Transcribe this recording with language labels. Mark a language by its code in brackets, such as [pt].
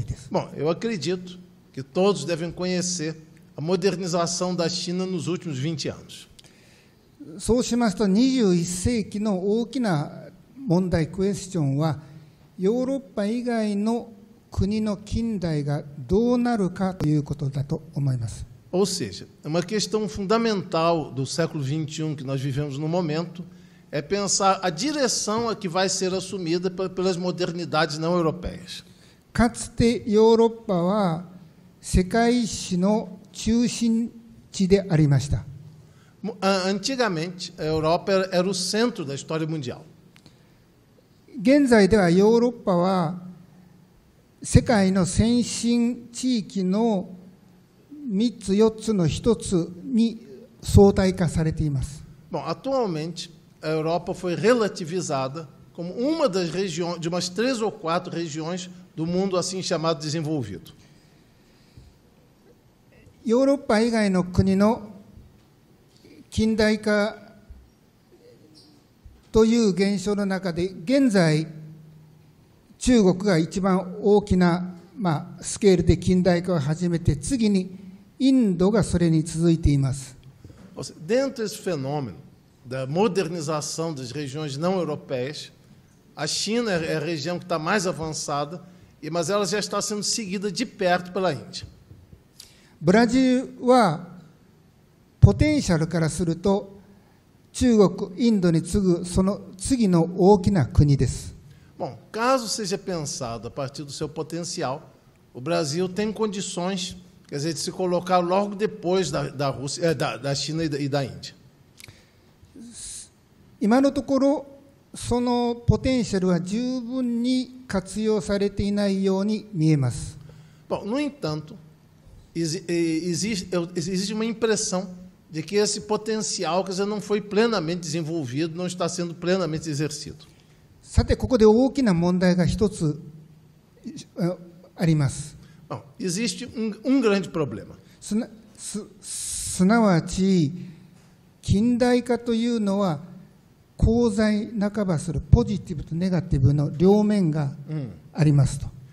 [pt] Bom, eu acredito que todos devem conhecer a modernização da China nos últimos 20 anos. [ja] そうしますと、21世紀の大きな問題、クエスチョンは、ヨーロッパ以外の国の近代がどうなるかということだと思います。 [pt] Ou seja, uma questão fundamental do século XXI que nós vivemos no momento é pensar a direção a que vai ser assumida pelas modernidades não europeias. [ja] かつてヨーロッパは世界史の中心地でありました。 [pt] Antigamente, a Europa era o centro da história mundial. [ja] 現在ではヨーロッパは世界の先進地域の3つ4つの1つに相対化されています。 [pt] Bom, atualmente, a Europa foi relativizada como uma das regiões, de umas 3 ou 4 regiões do mundo assim chamado desenvolvido. [ja] ヨーロッパ以外の国の近代化という現象の中で現在中国が一番大きな、まあ、スケールで近代化を始めて、次にインドがそれに続いています。 [pt] Dentro desse fenômeno da modernização das regiões não europeias, a China é a região que está mais avançada, mas ela já está sendo seguida de perto pela Índia. [ja] ブラジルはポテンシャルからすると、中国、インドに次ぐその次の大きな国です。 [pt] Bom, caso seja pensado a partir do seu potencial, o Brasil tem condições, quer dizer, de se colocar logo depois da Rússia, da China e da Índia. [ja] 今のところ、そのポテンシャルは十分に活用されていないように見えます。 [pt] Bom, no entanto, existe uma impressão de que esse potencial, quer dizer, não foi plenamente desenvolvido, não está sendo plenamente exercido. [ja] さてここで大きな問題が一つあります。 [pt] Bom, existe um grande problema. [ja] すなわち近代化というのは功罪半ばするポジティブとネガティブの両面がありますと。